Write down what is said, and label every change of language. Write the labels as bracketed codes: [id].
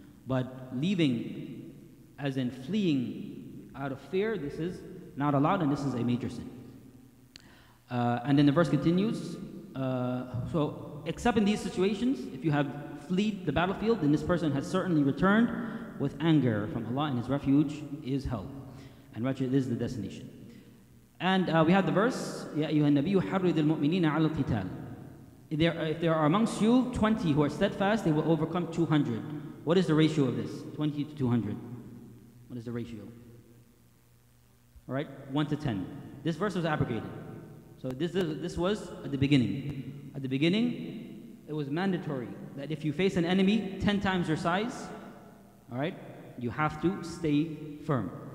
[en] But leaving, as in fleeing out of fear, this is not allowed, and this is a major sin. And then the verse continues. So except in these situations, if you have fled the battlefield, then this person has certainly returned with anger from Allah, and his refuge is hell, and wretched is the destination. [ar] And we have the verse, يَا أَيُّهَا النَّبِيُّ حَرِّضِ الْمُؤْمِنِينَ عَلَى الْقِتَالِ. [en] If there are amongst you 20 who are steadfast, they will overcome 200. What is the ratio of this? 20 to 200. What is the ratio? All right, 1 to 10. This verse was abrogated. So this was at the beginning. At the beginning, it was mandatory that if you face an enemy 10 times your size, all right, you have to stay firm.